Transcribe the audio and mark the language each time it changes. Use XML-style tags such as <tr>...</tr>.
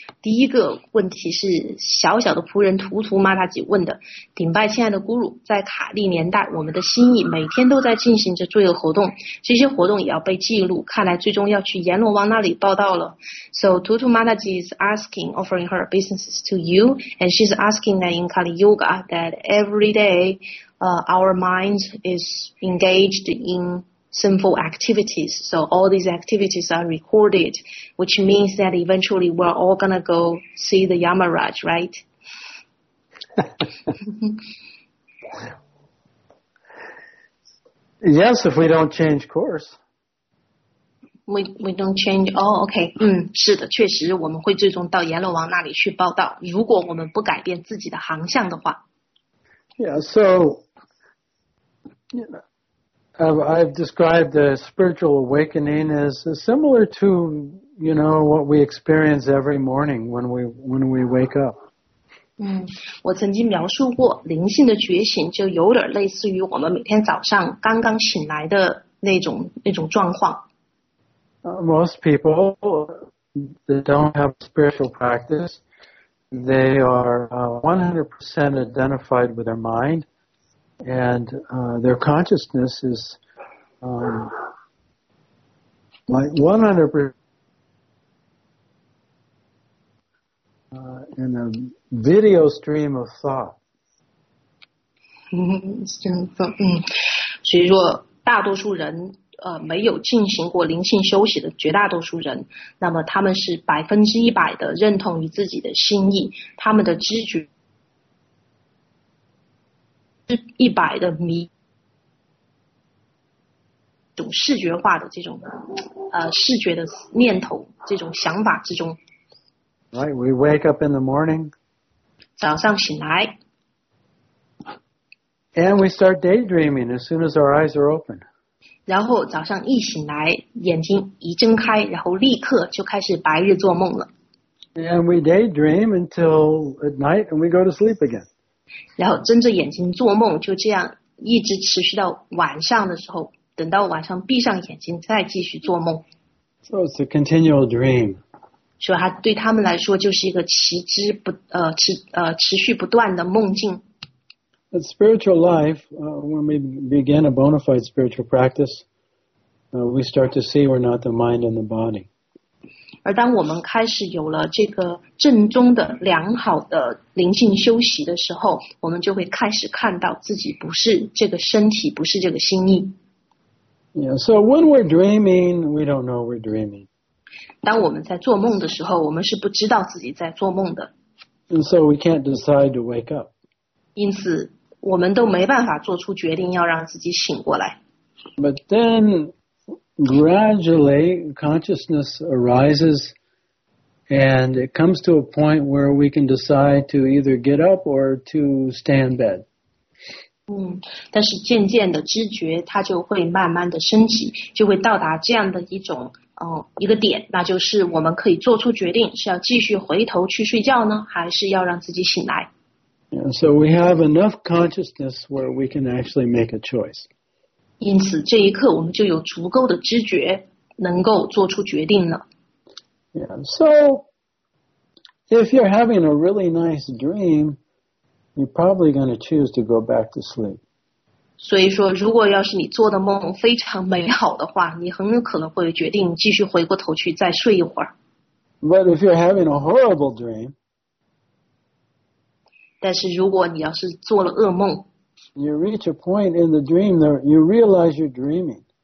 <zh>第一个问题是小小的仆人图图 Maharaj 问的，顶拜亲爱的 Guru， 在卡利年代，我们的心意每天都在进行着罪恶活动，这些活动也要被记录，看来最终要去阎罗王那里报道了。</zh> <en>So Tutu Maharaj is asking, offering her businesses to you, and she's asking that in Kali Yuga that every day. Our mind is engaged in sinful activities. So all these activities are recorded, which means that eventually we're all going to go see the Yamaraj, right? Yes, if we don't change course. We don't change. Oh, okay.</en> <zh>是的，确实我们会最终到阎罗王那里去报道，如果我们不改变自己的航向的话。</zh> <en>Yeah, so... You know, I've described the spiritual awakening as similar to, you know, what we experience every morning when we wake up.</en> <zh>我曾经描述过灵性的觉醒就有点类似于我们每天早上刚刚醒来的那种状况。</zh> <en>Most people that don't have spiritual practice, they are 100% identified with their mind. And their consciousness is like 100% in a video stream of thought.</en> <zh>所以说大多数人没有进行过灵性休息的绝大多数人，那么他们是100%的认同于自己的心意，他们的知觉是100%的迷种视觉化的这种视觉的念头这种想法之中。</zh> <en>Right, we wake up in the morning.</en> <zh>早上醒来。</zh> <en>And we start daydreaming as soon as our eyes are open.</en> <zh>然后早上一醒来，眼睛一睁开，然后立刻就开始白日做梦了。</zh> <en>And we daydream until at night and we go to sleep again.</en> <zh>然后睁着眼睛做梦，就这样一直持续到晚上的时候，等到晚上闭上眼睛再继续做梦。</zh> <en>So it's a continual dream.</en> <zh>所以对他们来说就是一个持续不断的梦境。</zh> <en>But spiritual life, when we begin a bona fide spiritual practice, we start to see we're not the mind and the body.</en> <zh>而当我们开始有了这个正宗的良好的灵性修习的时候，我们就会开始看到自己不是这个身体，不是这个心意。</zh> <en>Yeah, so when we're dreaming, we don't know we're dreaming.</en> <zh>当我们在做梦的时候，我们是不知道自己在做梦的。</zh> <en>And so we can't decide to wake up.</en> <zh>因此我们都没办法做出决定要让自己醒过来。</zh> <en>But then gradually consciousness arises and it comes to a point where we can decide to either get up or to stay in bed.</en> <zh>但是渐渐的知觉它就会慢慢的升起，就会到达这样的一种一个点，那就是我们可以做出决定是要继续回头去睡觉呢，还是要让自己醒来。</zh> <en>And so we have enough consciousness where we can actually make a choice.</en> <zh>因此这一刻我们就有足够的知觉能够做出决定了。</zh> <en>Yeah, so if you're having a really nice dream, you're probably going to choose to go back to sleep.</en> <zh>所以说如果要是你做的梦非常美好的话，你很有可能会决定继续回过头去再睡一会儿。</zh> <en>But if you're having a horrible dream,</en> <zh>但是如果你要是做了噩梦，</zh> <en>You reach a point in the dream that you realize you're dreaming.</en>